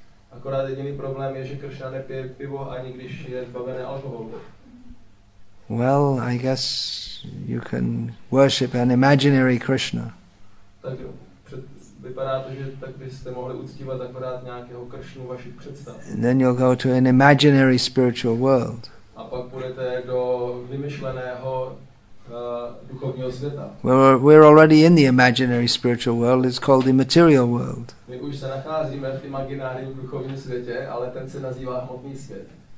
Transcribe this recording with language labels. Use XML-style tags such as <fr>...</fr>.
<cs>Akorát jediný problém je, že Krishna nepije pivo, ani když je zbavené alkoholu.</cs> <en>Well, I guess you can worship an imaginary Krishna.</en> <cs>Tak jo, vypadá to, že tak byste mohli uctívat akorát nějakého Krishnu vašich představ.</cs> <en>And then you'll go to an imaginary spiritual world.</en> <cs>A pak půjdete do vymyšleného duchovního světa.</cs> <en>We're already in the imaginary spiritual world. It's called the material world.</en> <cs>My už se nacházíme v imaginárním duchovním světě, ale ten se nazývá hmotný svět.</cs>